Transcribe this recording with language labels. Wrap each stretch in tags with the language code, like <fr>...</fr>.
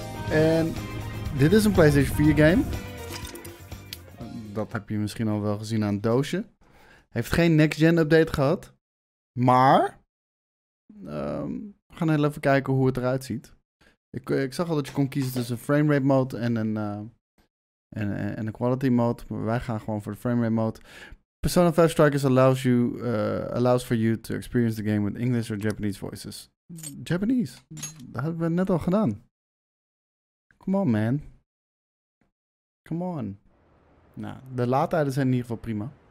<nl>En dit is een PlayStation 4 game. Dat heb je misschien al wel gezien aan het doosje. Heeft geen next-gen update gehad. Maar we gaan heel even kijken hoe het eruit ziet. Ik zag al dat je kon kiezen tussen framerate mode en een quality mode. Maar wij gaan gewoon voor de framerate mode.</nl> <en>Persona 5 Strikers allows for you to experience the game with English or Japanese voices. Japanese.</en> <nl>Dat hebben we net al gedaan.</nl> <en>Come on, man. Come on.</en> <nl>Nou, de laadtijden zijn in ieder geval prima.</nl>